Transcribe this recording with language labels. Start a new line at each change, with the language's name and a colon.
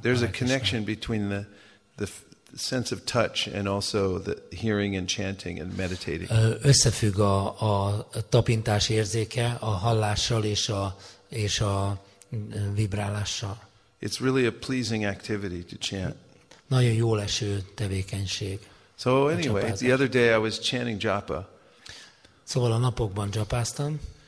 English: There's a connection between the sense of touch and also the hearing and chanting and meditating.
Hungarian: Összefügg a tapintás érzéke a hallással és a vibrálással.
English: It's really a pleasing activity to chant.
Hungarian: Nagyon jól eső tevékenység.
English: So anyway, the other day I was chanting japa.
Hungarian: Szóval a napokban japáztam.